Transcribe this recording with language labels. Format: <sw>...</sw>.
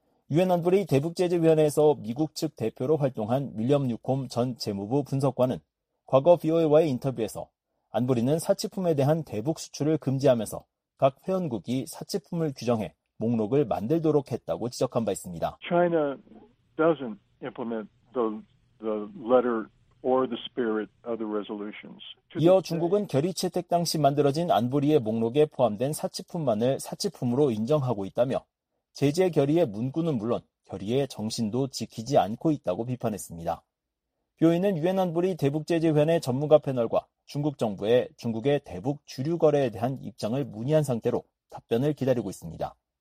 <ko>유엔 안보리 대북제재위원회에서 미국 측 대표로 활동한 윌리엄 뉴콤 전 재무부 분석관은 과거 BOA와의 인터뷰에서 안보리는 사치품에 대한 대북 수출을 금지하면서 각 회원국이 사치품을 규정해 목록을 만들도록 했다고 지적한 바 있습니다.</ko> <en>China doesn't implement the letter or the spirit of the resolutions.</en> <ko>이어 중국은 결의 채택 당시 만들어진 안보리의 목록에 포함된 사치품만을 사치품으로 인정하고 있다며 제재 결의의 문구는 물론 결의의 정신도 지키지 않고 있다고 비판했습니다. 교회는 유엔 안보리 대북제재위원회 전문가 패널과 중국 정부의 중국의 대북 주류 거래에 대한 입장을 문의한 상태로 답변을 기다리고 있습니다.</ko>